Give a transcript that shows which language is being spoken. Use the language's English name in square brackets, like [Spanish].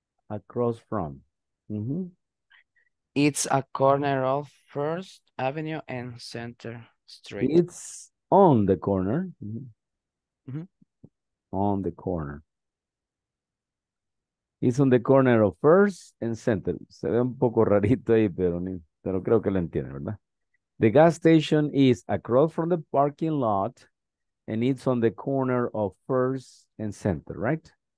[English] Across from. Mm-hmm. It's a corner of First Avenue and Center Street. It's on the corner. Mm-hmm. On the corner. It's on the corner of First and Center. [Spanish] Se ve un poco rarito ahí, pero creo que lo entiende, ¿verdad? [English] The gas station is across from the parking lot and it's on the corner of First and Center, right?